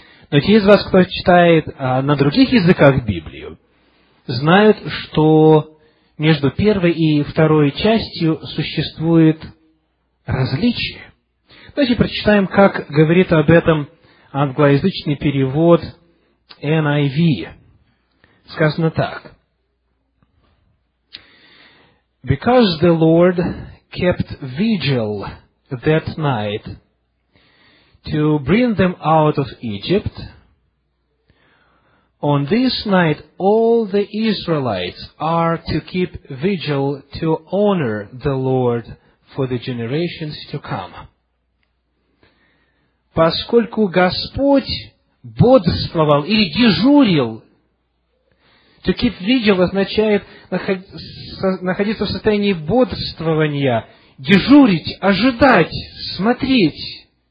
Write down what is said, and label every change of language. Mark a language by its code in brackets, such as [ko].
[ru] Но те из вас, кто читает на других языках Библию, знают, что между первой и второй частью существует различие. Давайте прочитаем, как говорит об этом англоязычный перевод NIV. Сказано так. [en] «Because the Lord kept vigil that night to bring them out of Egypt, on this night all the Israelites are to keep vigil to honor the Lord for the generations to come. [ru] Поскольку Господь бодрствовал или дежурил, [en] to keep vigil [ru] означает находиться в состоянии бодрствования, дежурить, ожидать, смотреть.